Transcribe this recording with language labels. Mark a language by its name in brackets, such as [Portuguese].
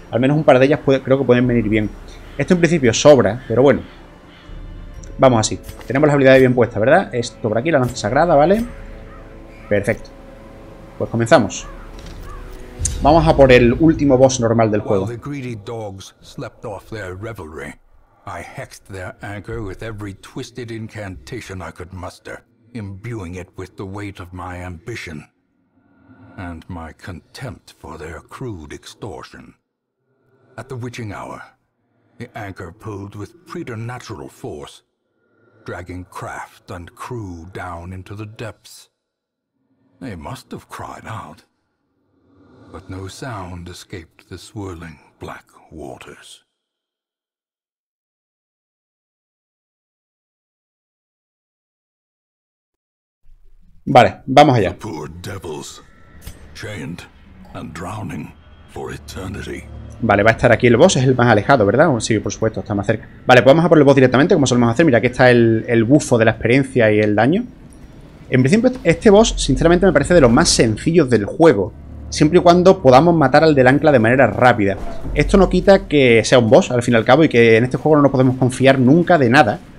[Spanish] Al menos un par de ellas creo que pueden venir bien. Esto en principio sobra, pero bueno. Vamos así. Tenemos las habilidades bien puestas, ¿verdad? Esto por aquí, la lanza sagrada, ¿vale? Perfecto. Pues comenzamos. Vamos a por el último boss normal del juego. [English] Los greedy dogs slept off their revelry. I hexed their anchor with every twisted incantation I could muster, imbuing it with the weight of my ambition and my contempt for their crude extortion. At the witching hour, the anchor pulled with preternatural force, dragging craft and crew down into the depths. They must have cried out, but no sound escaped the swirling black waters. [Spanish] Vale, vamos allá. [English] The poor devils, chained and drowning for eternity. [Spanish] Vale, va a estar aquí el boss, es el más alejado, ¿verdad? Sí, por supuesto, está más cerca. Vale, pues vamos a por el boss directamente, como solemos hacer. Mira, aquí está el bufo de la experiencia y el daño. En principio, este boss, sinceramente, me parece de los más sencillos del juego. Siempre y cuando podamos matar al del ancla de manera rápida. Esto no quita que sea un boss, al fin y al cabo, y que en este juego no nos podemos confiar nunca de nada.